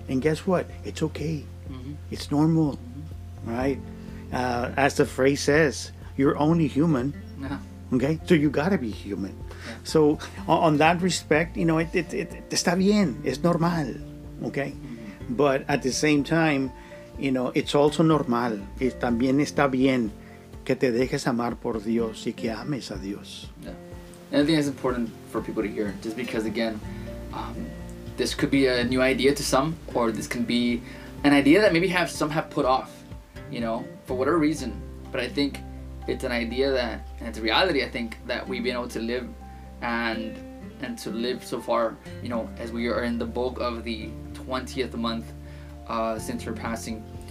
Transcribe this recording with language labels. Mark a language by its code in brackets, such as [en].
[en] And guess what? It's okay. Mm-hmm. It's normal. Mm-hmm. Right? As the phrase says, you're only human. Yeah. Okay? So you gotta be human. Yeah. So on that respect, you know, it [es] está bien. Es normal. [en] Okay? Mm-hmm. But at the same time, you know, it's also normal. [es] It también está bien que te dejes amar por Dios y que ames a Dios. [en] Yeah. And I think it's important for people to hear, just because, again, this could be a new idea to some, or this can be an idea that maybe some have put off, you know, for whatever reason. But I think it's an idea that, and it's a reality, I think, that we've been able to live and to live so far, you know, as we are in the bulk of the 20th month since her passing.